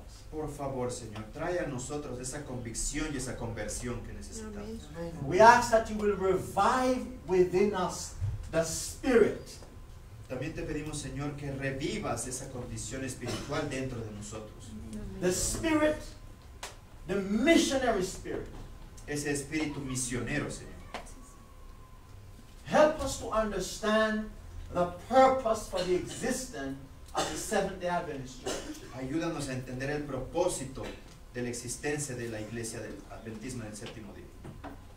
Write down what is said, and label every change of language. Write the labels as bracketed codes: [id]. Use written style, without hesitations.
[es] Por favor, Señor, trae a nosotros esa convicción y esa conversión que necesitamos. [en] We ask that you will revive within us the spirit. [es] También te pedimos, Señor, que revivas esa condición espiritual dentro de nosotros. [en] The spirit, the missionary spirit. [es] Ese espíritu misionero, Señor. [en] Help us to understand the purpose for the existence of the Seventh-day Adventist Church. [es] Ayúdanos a entender el propósito de la existencia de la Iglesia del Adventismo del Séptimo Día.